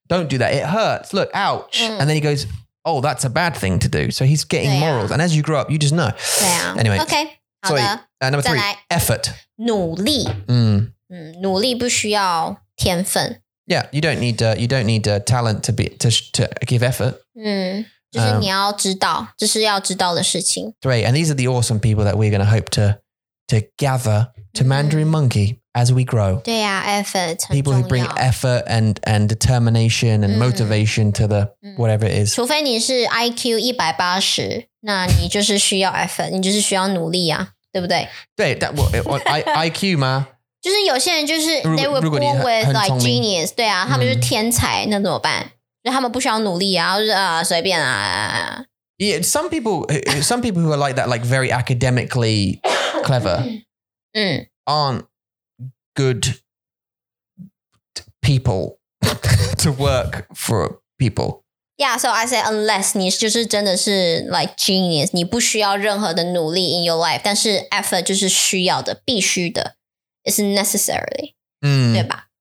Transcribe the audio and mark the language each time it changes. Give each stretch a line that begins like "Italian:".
English: Don't do that. It hurts. Look, ouch. And then he goes. Oh, that's a bad thing to do. So he's getting morals. And as you grow up, you just know. Anyway. Okay. Sorry. Number three, effort.
Chinese: 努力。努力不需要天分。
English: Yeah, you don't need, talent to give effort.
Chinese: 就是你要知道,这是要知道的事情。
English: 对, and these are the awesome people that we're going to hope to gather to Mandarin Monkey as we grow.
Chinese: 对啊, effort.
English: People who bring effort and determination and motivation to the whatever it is.
Chinese: 除非你是 IQ 180, 那你就是需要 effort, 你就是需要努力啊,对不对?
English: 对, that, what, IQ 吗?
Chinese: 就是有些人就是
English: they were born with like genius,
Chinese: 对啊,他们就是天才,那怎么办? 就他们不需要努力啊,就是啊,随便啊。
English: Yeah, some people who are like that, like very academically clever, aren't good people to work for people. Yeah, so I say unless
Chinese: 你就是真的是
English: like genius,
Chinese: 你不需要任何的努力
English: in your life,
Chinese: 但是
English: effort
Chinese: 就是需要的,必须的,
English: it's necessarily,
Chinese: 对吧?